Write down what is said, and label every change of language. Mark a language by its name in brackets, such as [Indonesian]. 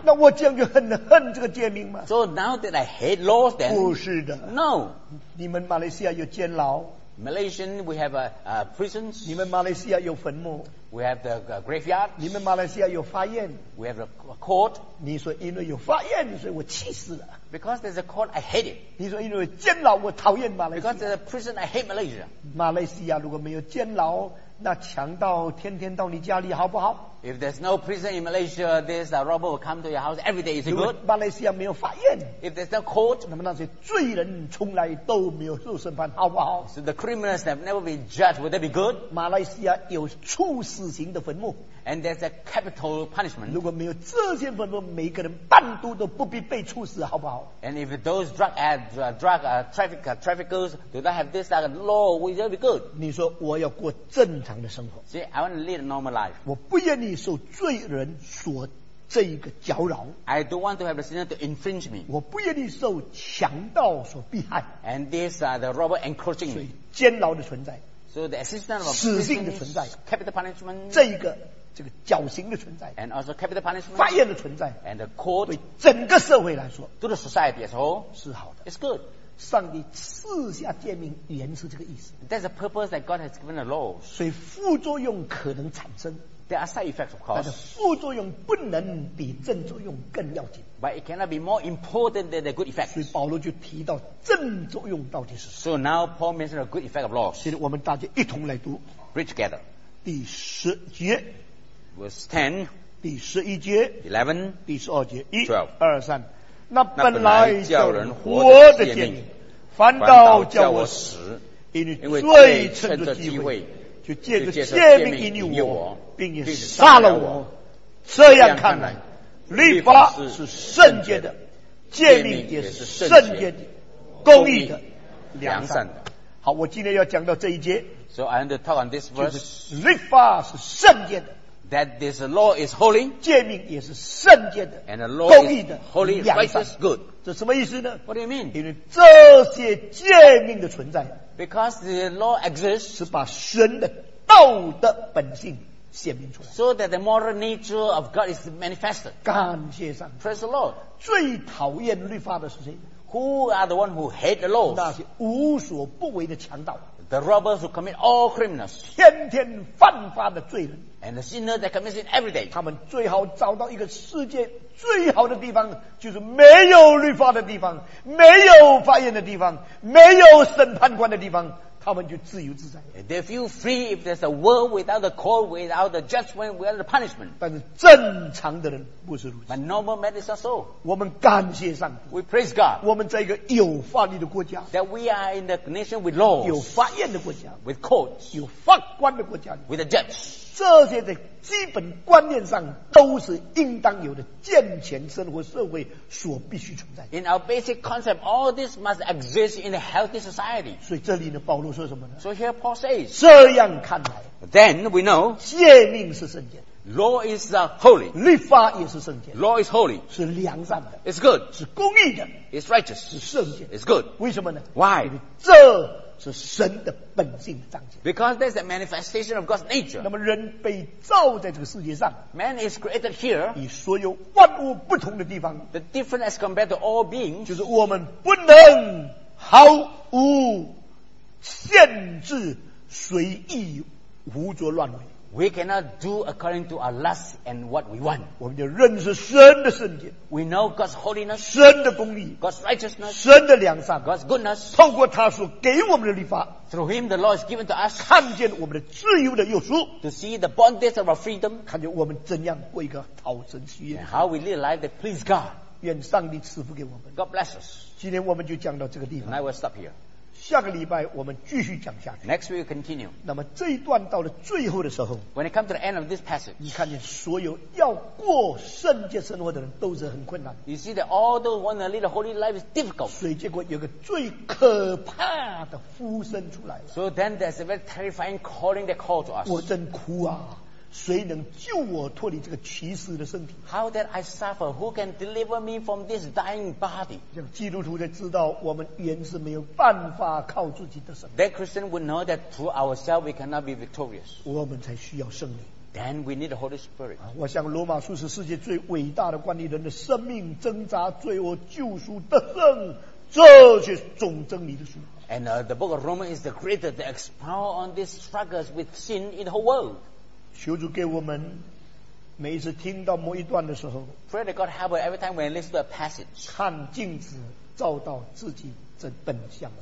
[Chinese] 那我这样就恨这个诫命吗？ [English] So now that I hate laws then? [Chinese] 不是的。 [English] No. [Chinese] 你们马来西亚有监牢。 [English] Malaysian, we have a prisons. [Chinese] 你们马来西亚有坟墓。 [English] We have the graveyard. [Chinese] 你们马来西亚有法院。 [English] We have a court. [Chinese] 你说因为有法院，所以我气死了。 [English] Because there's a court, I hate it. [Chinese] 你说因为监牢，我讨厌马来西亚。 [English] Because there's a prison, I hate Malaysia. [Chinese] 马来西亚如果没有监牢，那强盗天天到你家里，好不好？ [English] If there's no prison in Malaysia, this robber will come to your house every day. Is it good? [Chinese] 马来西亚没有法院。 [English] If there's no court, [Chinese] 那么那些罪人从来都没有受审判，好不好？ [English] So the criminals have never been judged. Would that be good? [Chinese] 马来西亚有处死。死刑的坟墓， [English] and there's a capital punishment. [Chinese] 如果没有这些坟墓，每个人半途都不必被处死，好不好？ [English] And if those traffickers do not have this law, would that be good? [Chinese] 你说我要过正常的生活。 [English] See, I want to lead a normal life. [Chinese] 我不愿意受罪人所这一个搅扰。 [English] I don't want to have the sinner to infringe me. [Chinese] 我不愿意受强盗所逼害。 [English] And this the robber encroaching me. [Chinese] 所以监牢的存在。 [English] So the existence of [Chinese] 死刑的存在， [English] capital punishment， [Chinese] 这个绞刑的存在， [English] and also capital punishment， [Chinese] 法院的存在， [English] and the court， [Chinese] 对整个社会来说， [English] to the society as whole， [Chinese] 是好的。 [English] It's good。 [Chinese] 上帝赐下诫命，原是这个意思。 [English] That's the purpose that God has given the law。 [Chinese] 所以副作用可能产生。 [English] There are side effects, of course. [Chinese] 但是副作用不能比正作用更要紧。 [English] But it cannot be more important than the good effects. [Chinese] 所以保罗就提到正作用到底是什么。 [English] So now Paul mentioned the good effect of laws. [Chinese] 现在我们大家一同来读。 [English] Read together. [Chinese] 第十节。 [English] Verse 10. [Chinese] 第十一节。 [English] 11. [Chinese] 第十二节。一。 [English] 12. [Chinese] 二三。那本来叫人活的诫命，反倒叫我死，因为罪趁着机会。就借着诫命引诱我，并且杀了我。这样看来，律法是圣洁的，诫命也是圣洁的、公义的、良善的。好，我今天要讲到这一节。 [English] So I want to talk on this verse. [Chinese] 就是律法是圣洁的。 [English] That this law is holy. [Chinese] 诫命也是圣洁的。 [English] And the law is holy, righteous, good. [Chinese] 这什么意思呢？ [English] What do you mean? [Chinese] 因为这些诫命的存在。 [English] Because the law exists, [Chinese] 是把神的道德本性显明出来。 [English] So that the moral nature of God is manifested. [Chinese] 感谢上帝。 [English] Praise the Lord. [Chinese] 最讨厌律法的是谁？ [English] Who are the ones who hate the laws? [Chinese] 那些无所不为的强盗。 [English] The robbers who commit all criminals. [Chinese] 天天犯法的罪人。 [English] And the sinners that commit sin every day. [Chinese] 他们最好找到一个世界最好的地方，就是没有律法的地方，没有法院的地方，没有审判官的地方，他们就自由自在。 [English] They feel free if there's a world without the court, without the judgment, without the punishment. [Chinese] 但是正常的人不是如此。 [English] But normal men is not so. [Chinese] 我们感谢上帝。 [English] We praise God. [Chinese] 我们在一个有法律的国家。 [English] That we are in a nation with laws. [Chinese] 有法院的国家。 [English] With courts. [Chinese] 有法官的国家。 [English] With a judge. [Chinese] 这些的基本观念上都是应当有的健全生活社会所必须存在的。 [English] In our basic concept, all this must exist in a healthy society. [Chinese] 所以这里的保罗说什么呢？ [English] So here Paul says, [Chinese] 这样看来， [English] Then we know, [Chinese] 诫命是圣洁， [English] Law is holy. [Chinese] 律法也是圣洁。 [English] Law is holy. [Chinese] 是良善的。 [English] It's good. [Chinese] 是公义的。 [English] It's righteous. [Chinese] 是圣洁。 [English] It's good. [Chinese] 为什么呢 [English] ？Why? [Chinese] 这是神的本性彰显。 [English] Because that's a manifestation of God's nature. [Chinese] 那么人被造在这个世界上 [English] ，Man is created here. [Chinese] 与所有万物不同的地方 [English] ，The difference as compared to all beings. [Chinese] 就是我们不能毫无限制、随意、胡作乱为。 [English] We cannot do according to our lust and what we want. [Chinese] 我们就认识神的圣洁。 [English] We know God's holiness. [Chinese] 神的公义。 [English] God's righteousness. [Chinese] 神的良善。 [English] God's goodness. [Chinese] 透过他所给我们的律法。 [English] Through him, the law is given to us. [Chinese] 看见我们的自由的有数。 [English] To see the bondage of our freedom. [Chinese] 看见我们怎样过一个讨神喜悦。 [English] And how we live a life that pleases God. [Chinese] 愿上帝赐福给我们。 [English] God bless us. [Chinese] 今天我们就讲到这个地方。 [English] And I will stop here. [Chinese] 下个礼拜我们继续讲下去。 [English] Next week continue. [Chinese] 那么这一段到了最后的时候 [English] ，When it comes to the end of this passage， [Chinese] 你看见所有要过圣洁生活的人都是很困难。 [English] You see that all those want to live a holy life is difficult. [Chinese] 所以结果有个最可怕的呼声出来。 [English] So then there's a very terrifying calling that called to us. [Chinese] 我真哭啊！谁能救我脱离这个骑士的身体 [English] ？How that I suffer? Who can deliver me from this dying body? [Chinese] 让基督徒才知道，我们原是没有办法靠自己的神。 [English] That Christian would know that through ourselves we cannot be victorious. [Chinese] 我们才需要圣灵。 [English] Then we need the Holy Spirit. [Chinese] 我想罗马书是世界最伟大的管理人的生命挣扎、罪恶、救赎、得胜，这些总真理的书。 [English] And the book of Romans is the greatest to expound on these struggles with sin in the whole world. [Chinese] 求主给我们每一次听到某一段的时候 [English] Pray that God help us every time when I listen to a passage [Chinese] 看镜子照到自己这本相